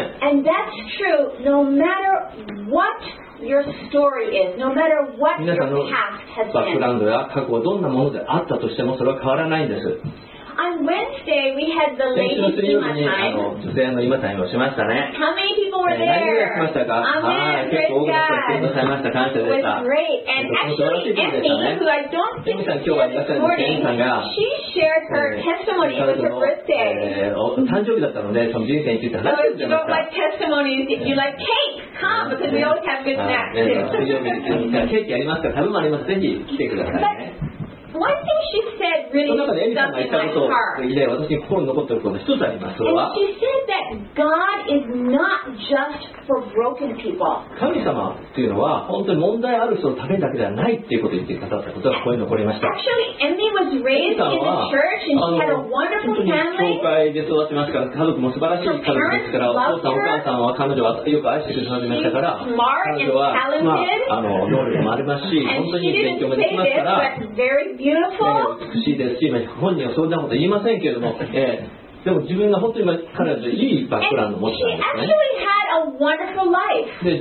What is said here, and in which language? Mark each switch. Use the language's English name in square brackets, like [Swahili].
[English] And that's true, no matter what your story is, no matter what your past has been. [Japanese] 皆さんのバックグラウンドや過去はどんなものであったとしてもそれは変わらないんです。 [English] On Wednesday, we had the ladies' time. [Japanese] 女性の今タイムをしましたね。 [English] How many people were there? [Japanese] 何人来ましたか？はい、結構多くの人来ました。感謝でした。 [English] Emmy, who I don't think is here this morning, she shared her testimony. So if you don't like testimonies, if you like cake, come because we always have good snacks. she said really stuck in my heart. And she said that God is not just for broken people. [Japanese] 神様っていうのは本当に問題ある人のためだけではないっていうことを言ってくださったことがここに残りました。 [English] Actually, Emmy was raised in the church and she had a wonderful family. [Japanese] 本当に教会で育ちますから家族も素晴らしい家族ですから、お父さんお母さんは彼女はよく愛してくださいましたから、彼女は、まあ、能力もありますし、本当に勉強もできますから、美しいですし、今本人はそんなこと言いませんけれども、でも自分が本当に彼女いいバックグラウンドを持ってたんですね。